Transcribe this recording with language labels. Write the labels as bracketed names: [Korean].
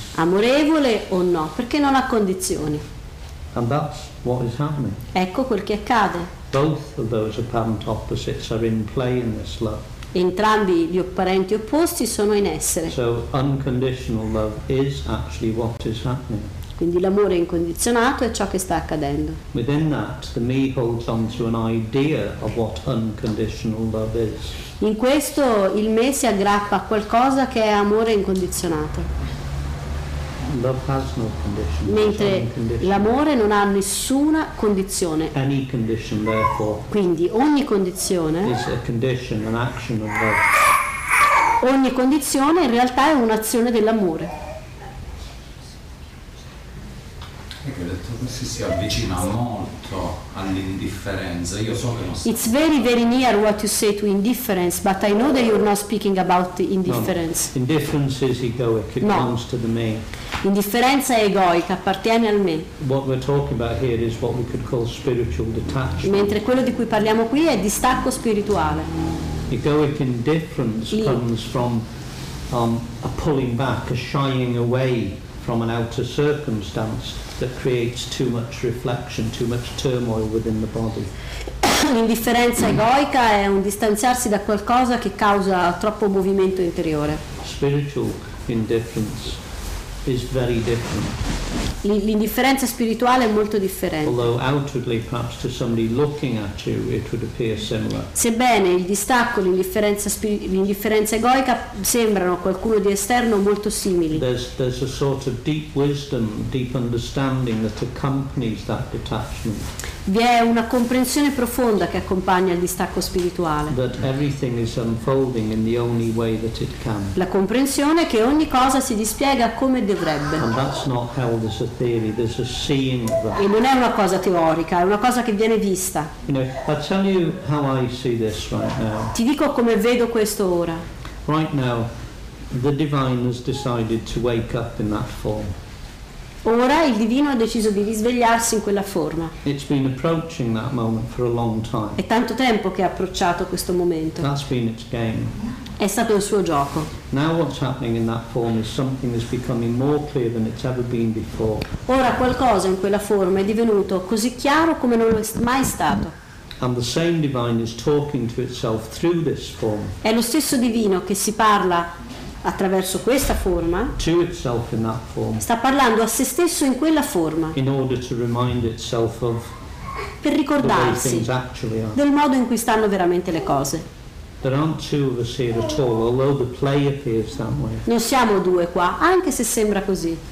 [Italian] Amorevole o no, perché non ha condizioni. [English] And that's what is happening. [Italian] Ecco quel che accade. [English] Both of those apparent opposites are in play in this love. [Italian] Entrambi gli apparenti opposti sono in essere. [English] So, unconditional love is actually what is happening. [Italian] Quindi l'amore incondizionato è ciò che sta accadendo. [English] Within that, the me holds on to an idea of what unconditional love is. [Italian] In questo il me si aggrappa a qualcosa che è amore incondizionato. [English] Love has no condition. [Italian] Mentre l'amore non ha nessuna condizione. [English] Any condition, therefore, [Italian] quindi ogni condizione [English] is a condition, an action of love. [Italian] Ogni condizione in realtà è un'azione dell'amore. E che ho detto che si avvicina molto all'indifferenza. Io so che non. [English] It's very, very near what you say to indifference, but I know that you're not speaking about the indifference. No. Indifference is egoic, it belongs to the me. [Italian] Indifferenza è egoica, appartiene al me. [English] What we're talking about here is what we could call spiritual detachment. [Italian] Mentre quello di cui parliamo qui è distacco spirituale. [English] Egoic indifference comes from a pulling back, a shying away from an outer circumstance that creates too much reflection, too much turmoil within the body. [Italian] L'indifferenza egoica è un distanziarsi da qualcosa che causa troppo movimento interiore. [English] Spiritual indifference is very different. [Italian] L'indifferenza spirituale è molto differente. [English] Although outwardly, perhaps to somebody looking at you, it would appear similar. [Italian] Sebbene il distacco, l'indifferenza egoica sembrano a qualcuno di esterno molto simili. [English] There's a sort of deep wisdom, deep understanding that accompanies that detachment. [Italian] Vi è una comprensione profonda che accompagna il distacco spirituale. [English] That everything is unfolding in the only way that it can. [Italian] La comprensione che ogni cosa si dispiega come dovrebbe. [English] And that's not held as a theory. There's a seeing of that. [Italian] E non è una cosa teorica, è una cosa che viene vista. [English] You know, I'll tell you how I see this right now. [Italian] Ti dico come vedo questo ora. [English] Right now, the divine has decided to wake up in that form. [Italian] Ora il divino ha deciso di risvegliarsi in quella forma. [English] It's been approaching that moment for a long time. [Italian] È tanto tempo che ha approcciato questo momento. [English] That's been its game. [Italian] È stato il suo gioco. [English] Now what's happening in that form is something that's becoming more clear than it's ever been before. [Italian] Ora qualcosa in quella forma è divenuto così chiaro come non lo è mai stato. [English] And the same divine is talking to itself through this form. [Italian] È lo stesso divino che si parla attraverso questa forma, [English] to itself in that form, [Italian] sta parlando a se stesso in quella forma, [English] in order to remind itself of, [Italian] per ricordarsi del modo in cui stanno veramente le cose. [English] There aren't two of us here at all, although the play appears that way. [Italian] Non siamo due qua, anche se sembra così.